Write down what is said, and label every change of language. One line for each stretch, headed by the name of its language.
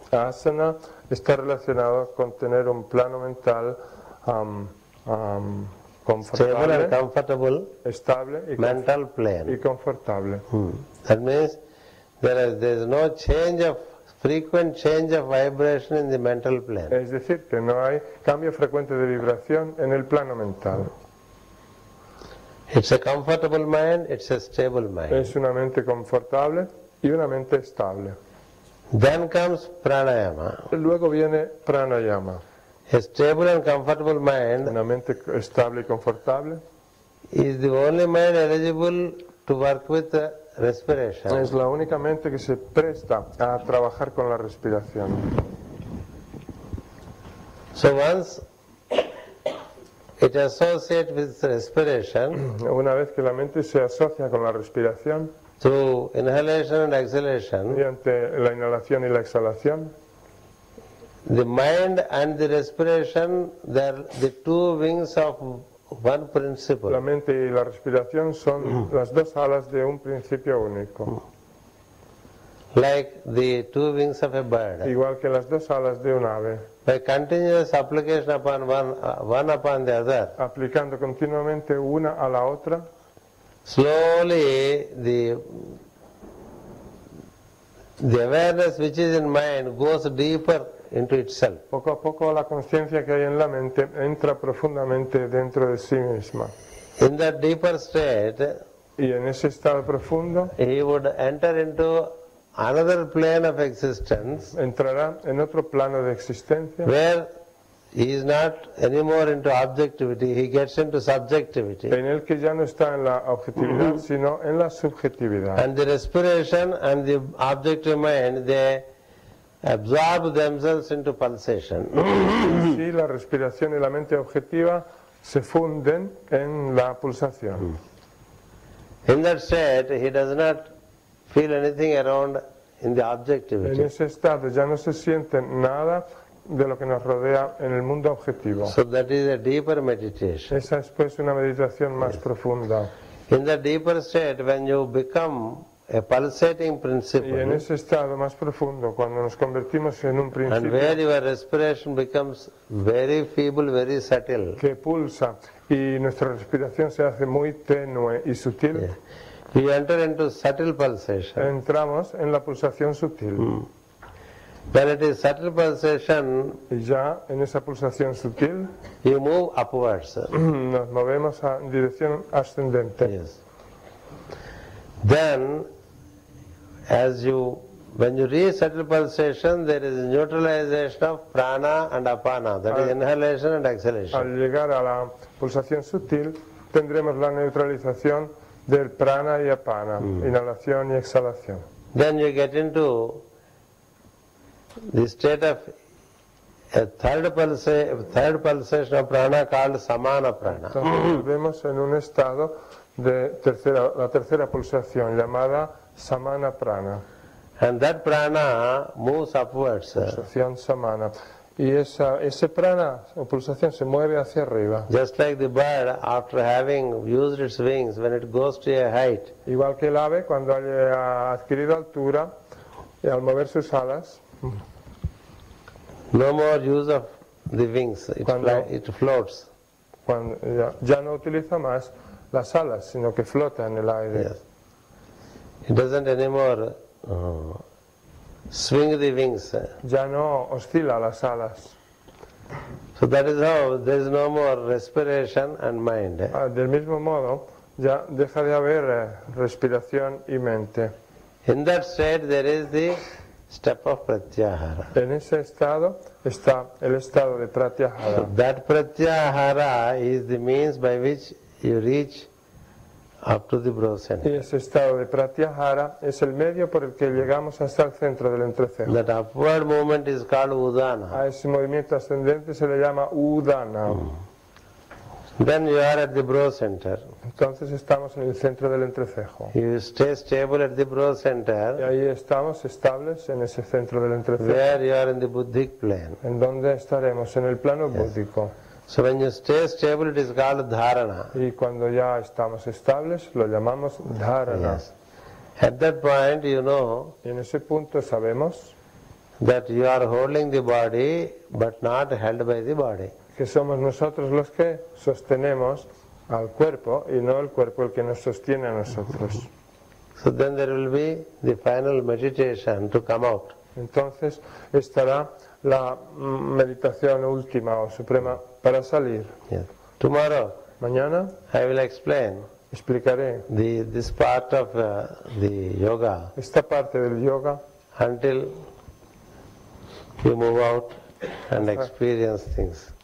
Spanish: Asana está relacionado con tener un plano mental
English: stable and comfortable,
Spanish: estable y
English: mental plane.
Spanish: Y confortable. Hmm.
English: That means there is no change of frequent change of vibration in the mental plane.
Spanish: Es decir, que no hay cambio frecuente de vibración en el plano mental.
English: It's a comfortable mind, it's a stable mind.
Spanish: Es una mente confortable y una mente estable.
English: Then comes pranayama.
Spanish: Luego viene pranayama.
English: A stable and comfortable mind,
Spanish: una mente estable y confortable,
English: is the only mind eligible to work with the respiration.
Spanish: Es la única mente que se presta a trabajar con la respiración.
English: So once it associates with the respiration,
Spanish: una vez que la mente se asocia con la respiración,
English: through inhalation and exhalation,
Spanish: mediante la inhalación y la exhalación,
English: the mind and the respiration, they are the two wings of one principle.
Spanish: La mente y la respiración son las dos alas de un principio único.
English: Like the two wings of a bird.
Spanish: Igual que las dos alas de un ave.
English: By continuous application upon one upon the other.
Spanish: Aplicando continuamente una a la otra.
English: Slowly the awareness which is in mind goes deeper into itself.
Spanish: Poco a poco la conciencia que hay en la mente entra profundamente dentro de sí misma.
English: In that deeper state,
Spanish: y en ese estado profundo,
English: he would enter into another plane of existence.
Spanish: Entrará en otro plano de existencia.
English: Where he is not anymore into objectivity, he gets into subjectivity.
Spanish: En el que ya no está en la objetividad, sino en la subjetividad.
English: And the respiration and the objective mind, they absorb themselves into pulsation.
Spanish: Sí, la respiración y la mente objetiva se funden en la pulsación.
English: In that state, he does not feel anything around in the objectivity.
Spanish: En ese estado ya no se siente nada de lo que nos rodea en el mundo objetivo.
English: So that is a deeper meditation.
Spanish: Esa es pues una meditación más profunda.
English: In the deeper state, when you become a pulsating principle.
Spanish: Y en ese estado más profundo, cuando nos convertimos en un principio.
English: And where your respiration becomes very feeble, very subtle.
Spanish: Que pulsa y nuestra respiración se hace muy tenue y sutil.
English: Yeah. We enter into subtle pulsation.
Spanish: Entramos en la pulsación sutil.
English: When it is subtle pulsation.
Spanish: Y ya en esa pulsación sutil.
English: You move upwards.
Spanish: Nos movemos en dirección ascendente.
English: Yes. Then, as you When you reach subtle pulsation, there is neutralization of prana and apana, that is inhalation and exhalation.
Spanish: Al llegar a la pulsación sutil, tendremos la neutralización del prana y apana, inhalación y exhalación.
English: Then you get into the state of a third pulsation of prana called samana prana.
Spanish: Entonces vemos en un estado de tercera, la tercera pulsación llamada samana prana.
English: And that prana moves upwards.
Spanish: Pulsación samana. Y esa, ese prana o pulsación se mueve hacia arriba.
English: Just like the bird after having used its wings when it goes to a height.
Spanish: Igual que el ave cuando ha adquirido altura y al mover sus alas.
English: No more use of the wings, it floats.
Spanish: Cuando ya no utiliza más las alas, sino que flota en el aire.
English: Yes. It doesn't anymore swing the wings.
Spanish: Ya no oscila las alas.
English: So that is how there is no more respiration and mind.
Spanish: Del mismo modo, ya deja de haber respiración y mente.
English: In that state there is the step of pratyahara.
Spanish: En ese estado está el estado de pratyahara.
English: So that pratyahara is the means by which you reach up to the brow center.
Spanish: Y ese estado de pratyahara es el medio por el que llegamos hasta el centro del entrecejo.
English: That upward movement is called udana.
Spanish: A ese movimiento ascendente se le llama udana.
English: Then you are at the brow center.
Spanish: Entonces estamos en el centro del entrecejo.
English: You stay stable at the brow center.
Spanish: Y ahí estamos estables en ese centro del entrecejo.
English: There you are in the buddhic plane.
Spanish: En donde estaremos, en el plano búdico.
English: So when you stay stable, it is called dharana.
Spanish: Y cuando ya estamos estables, lo llamamos dharana.
English: Yes. At that point, you know.
Spanish: Y en ese punto sabemos
English: that you are holding the body, but not held by the body.
Spanish: Que somos nosotros los que sostenemos al cuerpo y no el cuerpo el que nos sostiene a nosotros.
English: So then there will be the final meditation to come out.
Spanish: Entonces estará la meditación última o suprema para salir.
English: Yes. Tomorrow,
Spanish: mañana,
English: I will explain.
Spanish: Explicaré
English: this part of the yoga.
Spanish: Esta parte del yoga.
English: Until you move out and experience things.